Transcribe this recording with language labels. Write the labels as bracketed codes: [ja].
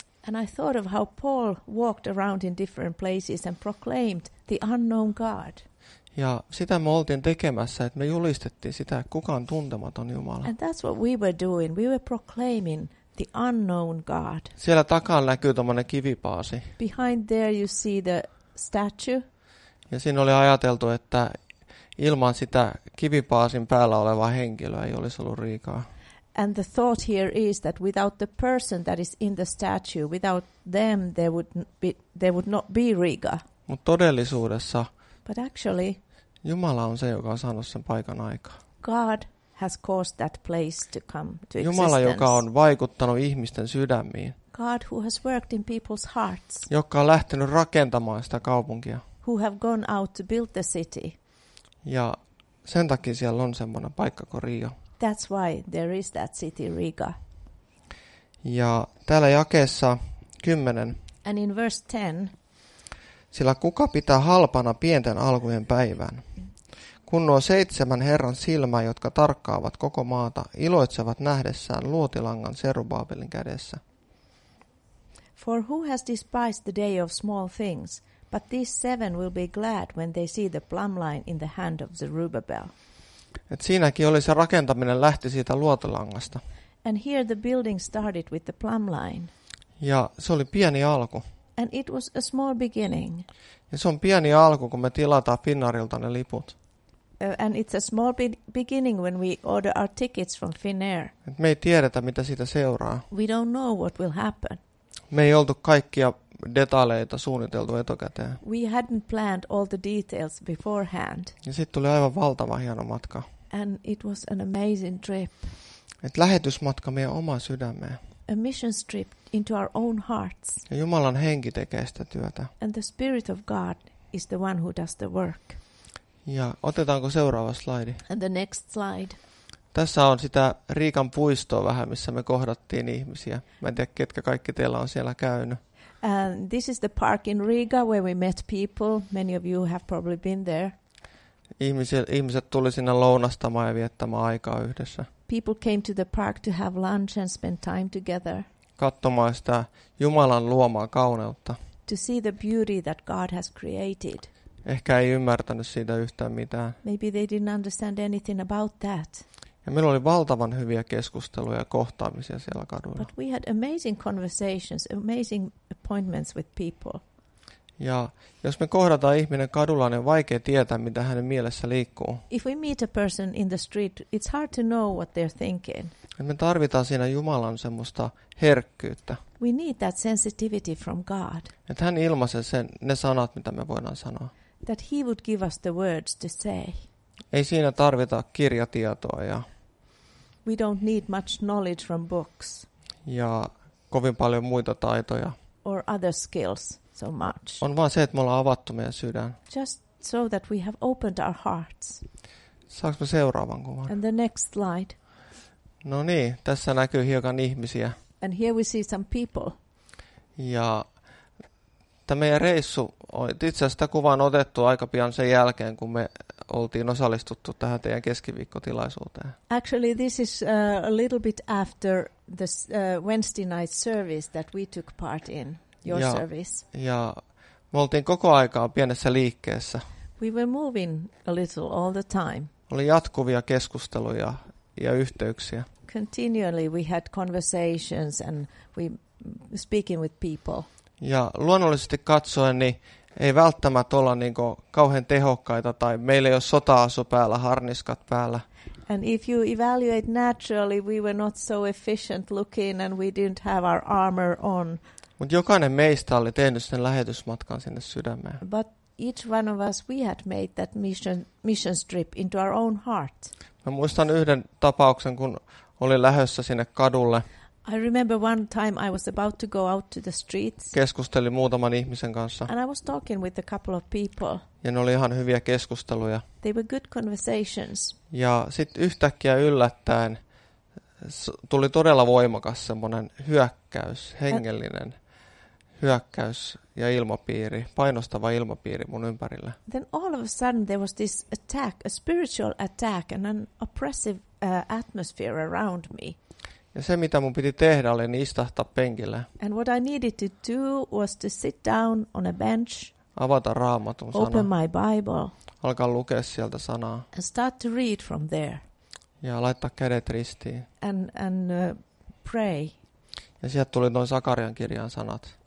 [en] And I thought of how Paul walked around in different places and proclaimed the unknown God. [fi] Ja sitä me oltiin tekemässä, että me julistettiin sitä, että kuka on tuntematon Jumala. [en] And that's what we were doing. We were proclaiming the unknown God. [fi] Siellä takana näkyy tommoinen kivipaasi. [en] Behind there you see the statue. [fi] Ja siinä oli ajateltu, että ilman sitä kivipaasin päällä olevaa henkilöä ei olisi ollut riikaa. [en] And the thought here is that without the person that is in the statue, without them there would not be Riga. [fi] Mutta todellisuudessa [en] But actually, [fi] Jumala on se, joka on saanut sen paikan aikaa. [en] God has caused that place to come to existence. [fi] Jumala, joka on vaikuttanut ihmisten sydämiin. [en] God who has worked in people's hearts. [fi] Joka on lähtenyt rakentamaan sitä kaupunkia. [en] Who have gone out to build the city. [fi] Ja sen takia siellä on semmoinen paikka kuin Rio. [en] That's why there is that city Riga. [fi] Ja täällä jakeessa 10. [en] And in verse 10. [fi] Sillä kuka pitää halpana pienten alkujen päivän? Kun nuo 7 Herran silmää, jotka tarkkaavat koko maata, iloitsevat nähdessään luotilangan Serubabelin kädessä. [en] For who has despised the day of small things, but these 7 will be glad when they see the plumb line in the hand of Zerubbabel. [fi] Et siinäkin oli se rakentaminen lähti siitä luotilangasta. [en] And here the building started with the plumb line. [fi] Ja se oli pieni alku. [en] And it was a small beginning. [fi] Ja se on pieni alku, kun me tilataan Finnairilta ne liput. [en] And it's a small beginning when we order our tickets from Finnair. [fi] Et me ei tiedetä, mitä siitä seuraa. [en] We don't know what will happen. [fi] Me ei oltu kaikkia detaileita suunniteltu etukäteen. [en] We hadn't planned all the details beforehand. [fi] Ja sitten tuli aivan valtava hieno matka. [en] And it was an amazing trip. [fi] Et lähetysmatka meidän omaan sydämeen. [en] A mission trip into our own hearts. [fi] Ja Jumalan henki tekee sitä työtä. [en] And the Spirit of God is the one who does the work. [fi] Ja otetaanko seuraava slaidi? [en] And the next slide. [fi] Tässä on sitä Riikan puistoa vähän, missä me kohdattiin ihmisiä. Mä en tiedä, ketkä kaikki teillä on siellä käynyt. [en] And this is the park in Riga where we met people. Many of you have probably been there. [fi] Ihmiset tuli sinne lounastamaan ja viettämään aikaa yhdessä. [en] People came to the park to have lunch and spend time together. [fi] Katsomaan sitä Jumalan luomaa kauneutta. [en] To see the beauty that God has created. [fi] Ehkä ei ymmärtänyt siitä yhtään mitään. [en] Maybe they didn't understand anything about that. [fi] Ja meillä oli valtavan hyviä keskusteluja ja kohtaamisia siellä kaduilla. [en] But we had amazing conversations, amazing appointments with people. [fi] Ja jos me kohdataan ihminen kadulla, niin on vaikea tietää, mitä hänen mielessä liikkuu. [en] If we meet a person in the street, it's hard to know what they're thinking. [fi] Ja me tarvitaan siinä Jumalan semmoista herkkyyttä. [en] We need that sensitivity from God. [fi] Että hän ilmaisee sen, ne sanat, mitä me voidaan sanoa. [en] That he would give us the words to say. [fi] Ei siinä tarvita kirjatietoa ja... [en] We don't need much knowledge from books. [fi] Ja kovin paljon muita taitoja. [en] Or other skills. So much. [fi] On vaan se, että me ollaan avattu meidän sydän. [en] Just so that we have opened our hearts. [fi] Saanko me seuraavan kuvan? [en] And the next slide. [fi] No niin, tässä näkyy hiukan ihmisiä. [en] And here we see some people. [fi] Ja tämä meidän reissu, itse asiassa kuva on otettu aika pian sen jälkeen, kun me oltiin osallistuttu tähän teidän keskiviikkotilaisuuteen. [en] Actually this is a little bit after the Wednesday night service that we took part in. Your service. [fi] Ja me oltiin koko aikaa pienessä liikkeessä. [en] We were moving a little all the time. [fi] Oli jatkuvia keskusteluja ja yhteyksiä. [en] Continually we had conversations and we speaking with people. [fi] Ja luonnollisesti katsoen niin ei välttämättä olla niinku kauhean tehokkaita tai meillä ei ole sota-asu päällä, harniskat päällä. [en] And if you evaluate naturally we were not so efficient looking and we didn't have our armor on. [fi] Mutta jokainen meistä oli tehnyt sen lähetysmatkan sinne sydämeen. [en] But each one of us, we had made that mission trip into our own heart. [fi] Mä muistan yhden tapauksen, kun olin lähdössä sinne kadulle. [en] I remember one time I was about to go out to the streets. [fi] Keskustelin muutaman ihmisen kanssa. [en] And I was talking with a couple of people. [fi] Ja ne oli ihan hyviä keskusteluja. [en] They were good conversations. [fi] Ja sitten yhtäkkiä yllättäen tuli todella voimakas semmoinen hyökkäys, hengellinen. Hyökkäys ja ilmapiiri, painostava ilmapiiri mun ympärillä. [en] Then all of a sudden there was this attack, a spiritual attack and an oppressive atmosphere around me. [fi] Ja se mitä mun piti tehdä oli istahtaa penkille. [en] And what I needed to do was to sit down on a bench. [fi] Avata Raamatun sana. [en] Open my Bible. [fi] Alkaa lukea sieltä sanaa. [en] And start to read from there. [fi] Ja laittaa kädet ristiin. [en] And pray. [fi] Ja sieltä tuli noin Sakarian kirjan sanat.